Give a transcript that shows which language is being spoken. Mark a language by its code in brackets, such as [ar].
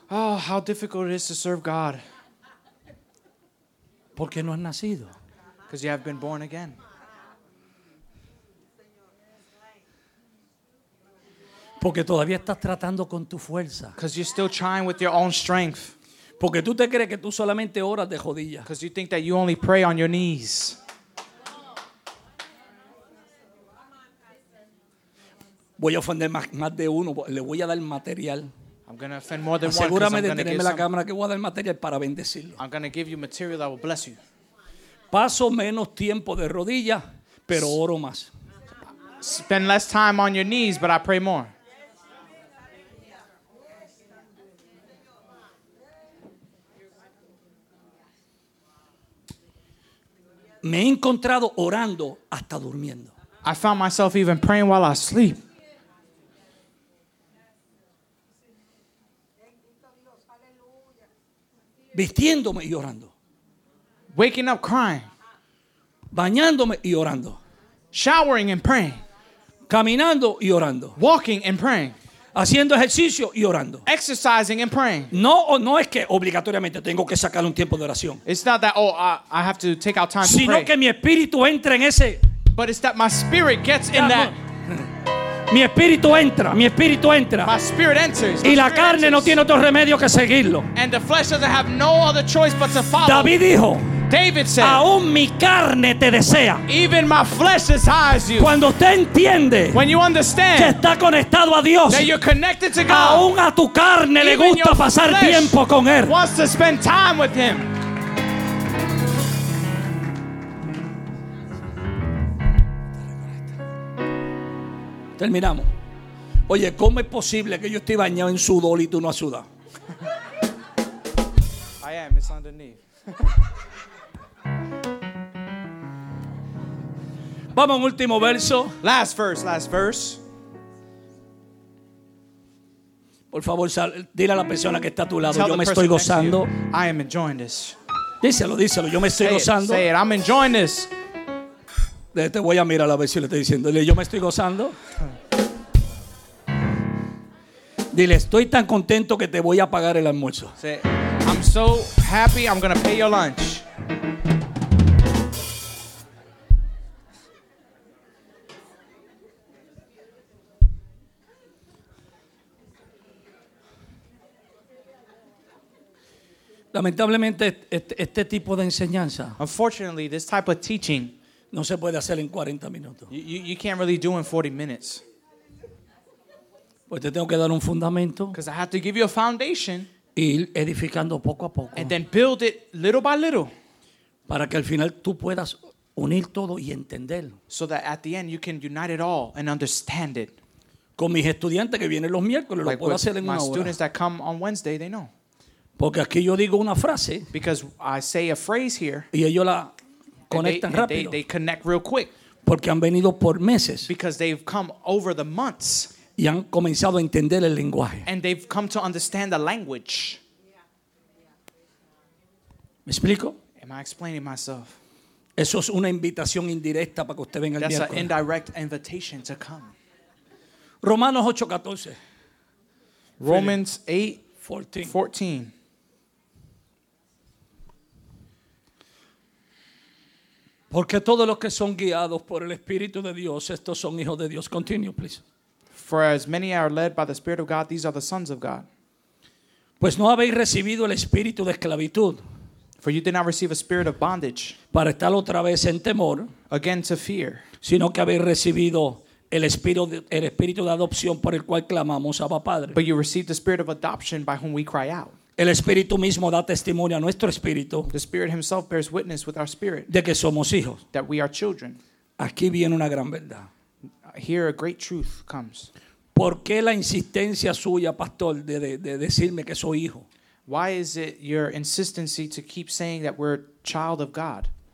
[en] Oh, how difficult it is to serve God. [es] Porque no has nacido. [en] Because you have been born again. [es] Porque todavía estás tratando con tu fuerza. [en] Because you're still trying with your own strength. [es] Porque tú te crees que tú solamente oras de jodillas. [en] Because you think that you only pray on your knees. [es] Voy a ofender más de uno. Le voy a dar material. [en] I'm going to offend more than one. [es] Asegúrame de tenerme la cámara que voy a dar material para bendecirlo. [en] I'm going to give you material that will bless you. [es] Paso menos tiempo de rodillas, pero oro más. [en] Spend less time on your knees, but I pray more. [es] Me he encontrado orando hasta durmiendo. [en] I found myself even praying while I sleep. [es] Vistiéndome y orando. [en] Waking up crying. [es] Bañándome y orando. [en] Showering and praying. [es] Caminando y orando. [en] Walking and praying. [es] Haciendo ejercicio y orando. [en] Exercising and praying. [es] No es que obligatoriamente tengo que sacar un tiempo de oración. [en] It's not that, I have to take out time to pray. [es] Sino que mi espíritu entra en ese. [en] But it's that my spirit gets in that. [es] Mi espíritu entra. [en] My spirit enters. [es] Y la carne no tiene otro remedio que seguirlo. [en] And the flesh doesn't have no other choice but to follow. [es] David dijo. [en] David said. [es] Aún mi carne te desea. [en] Even my flesh desires you. [es] Cuando usted entiende. [en] When you understand. [es] Que está conectado a Dios. [en] That you're connected to God. [es] Aún a tu carne le gusta pasar tiempo con él. [en] Wants to spend time with him. [es] Terminamos. Oye, ¿cómo es posible que yo esté bañado en sudor y tú no has sudado? [en] I am, it's underneath. [es] Vamos a un último verso. [en] Last verse. [es] Por favor, dile a la persona que está a tu lado, yo me estoy gozando. [en] I am enjoying this. [es] Díselo, yo me estoy gozando. [en] Say it, I'm enjoying this. [es] Te voy a mirar a ver si le estoy diciendo. Dile, yo me estoy gozando. Dile, estoy tan contento que te voy a pagar el almuerzo. [en] Say, I'm so happy I'm going to pay your lunch. [es] Lamentablemente, este tipo de enseñanza. [en] Unfortunately, this type of teaching. [es] No se puede hacer en 40 minutos. [en] You can't really do in 40 minutes. [es] Pues te tengo que dar un fundamento. [en] Because I have to give you a foundation. [es] Y ir edificando poco a poco. [en] And then build it little by little. [es] Para que al final tú puedas unir todo y entender. [en] So that at the end you can unite it all and understand it. [es] Con mis estudiantes que vienen los miércoles, [en] like [es] lo puedo hacer en una hora. [en] My students that come on Wednesday, they know. [es] Porque aquí yo digo una frase. [en] Because I say a phrase here. [es] Y ellos la conectan rápido. [en] They connect real quick. [es] Porque han venido por meses. [en] Because they've come over the months. [es] Y han comenzado a entender el lenguaje. [en] And they've come to understand the language. [es] ¿Me explico? [en] Am I explaining myself? [es] Eso es una invitación indirecta para que usted venga el [en] That's [es] miércoles. [en] An indirect invitation to come. [es] Romanos 8:14. [en] Romans 8:14. [es] Porque todos los que son guiados por el Espíritu de Dios, estos son hijos de Dios. [en] Continue, please. For as many are led by the Spirit of God, these are the sons of God. [es] Pues no habéis recibido el espíritu de esclavitud. [en] For you did not receive a spirit of bondage. [es] Para estar otra vez en temor. [en] Again to fear. [es] Sino que habéis recibido el espíritu de adopción por el cual clamamos Abba Padre. [en] But you received the spirit of adoption by whom we cry out. [es] El Espíritu mismo da testimonio a nuestro espíritu. [en] The Spirit himself bears witness with our spirit. [es] De que somos hijos. [en] That we are children. [es] Aquí viene una gran verdad. [en] Here a great truth comes. [es] ¿Por qué la insistencia suya, pastor, de decirme que soy hijo? [en] Why is it your insistency to keep saying that we're child of God?